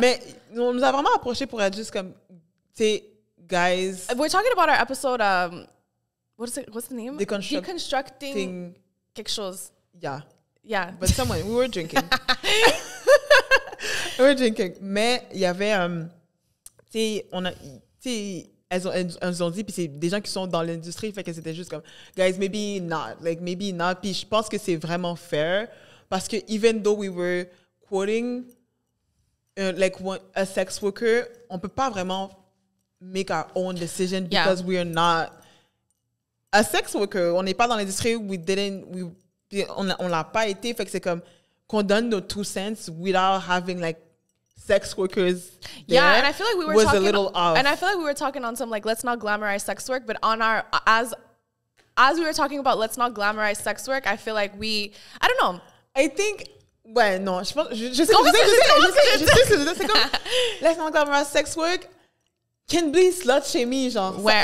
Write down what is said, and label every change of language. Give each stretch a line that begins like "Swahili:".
French: Mais on nous a vraiment approché pour être juste comme, tu sais,
English: guys. We're talking about our episode, what is it, what's the name? Deconstructing
French: quelque chose.
English: Yeah. Yeah. But someone, we were drinking. We were drinking.
French: Mais il y avait, tu sais, on a, tu sais... Elles ont dit, puis c'est des gens qui sont dans l'industrie, fait que c'était juste comme,
English: guys, maybe not, like, maybe not.
French: Puis je pense que c'est vraiment
English: fair,
French: parce que
English: even though we were quoting, like, a sex worker,
French: on peut pas vraiment
English: make our own decision because yeah. we are not a sex worker.
French: On n'est pas dans l'industrie, on l'a pas été, fait que c'est comme, qu'on donne nos
English: two cents without having, like, sex workers. Yeah, and I feel like we were talking on some, like, let's not glamorize sex work, but on our as we were talking about let's not glamorize sex work, I feel like we, I don't know. I think let's not glamorize sex work can be slut shaming,
French: genre.